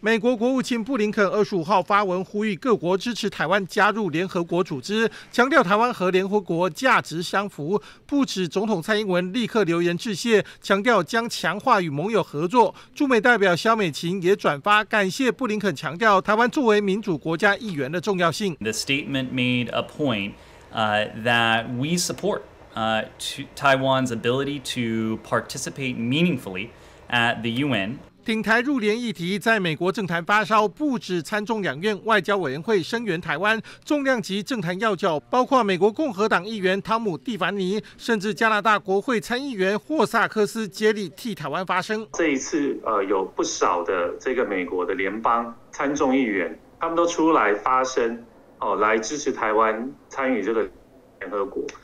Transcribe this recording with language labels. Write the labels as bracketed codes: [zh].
[zh] 美国国务卿布林肯25号发文呼吁各国支持台湾加入联合国组织，强调台湾和联合国价值相符。不止总统蔡英文立刻留言致谢，强调将强化与盟友合作。驻美代表萧美琴也转发感谢布林肯，强调台湾作为民主国家一员的重要性。 [en] The statement made a point, that we support, Taiwan's ability to participate meaningfully at the UN. [zh] 挺台入联议题在美国政坛发烧，不止参众两院外交委员会声援台湾，重量级政坛要角包括美国共和党议员汤姆·蒂凡尼，甚至加拿大国会参议员霍萨克斯接力替台湾发声。这一次，有不少的这个美国的联邦参众议员，他们都出来发声，来支持台湾参与这个联合国。